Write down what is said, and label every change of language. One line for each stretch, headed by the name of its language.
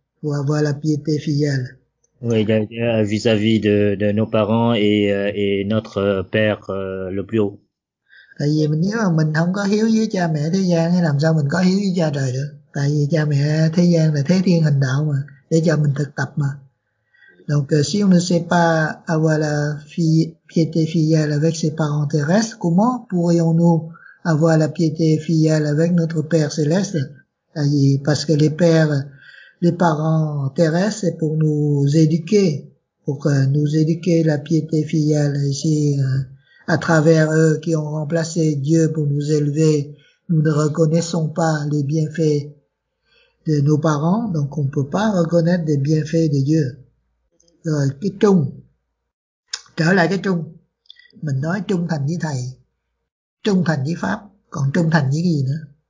French: Pour avoir la piété filiale. Oui, vis-à-vis de nos parents et notre père le plus haut.
Vietnamese: Tại vì nếu mà mình không có hiếu với cha mẹ thế gian thì làm sao mình có hiếu với cha trời được? Tại vì cha mẹ thế gian là thế thiên hành đạo mà, để cho mình thực tập mà.
French: Donc, si on ne sait pas avoir la piété filiale avec ses parents terrestres, comment pourrions-nous avoir la piété filiale avec notre Père céleste?
Vietnamese: Tại vì
French: parce que les parents terrestres, c'est pour nous éduquer, pour nous éduquer la piété filiale ici, à travers eux qui ont remplacé Dieu pour nous élever. Nous ne reconnaissons pas les bienfaits de nos parents, donc on ne peut pas reconnaître les bienfaits de Dieu.
Vietnamese: Rồi cái trung, trở lại cái trung, mình nói trung thành với thầy, trung thành với pháp, còn trung thành với cái gì nữa?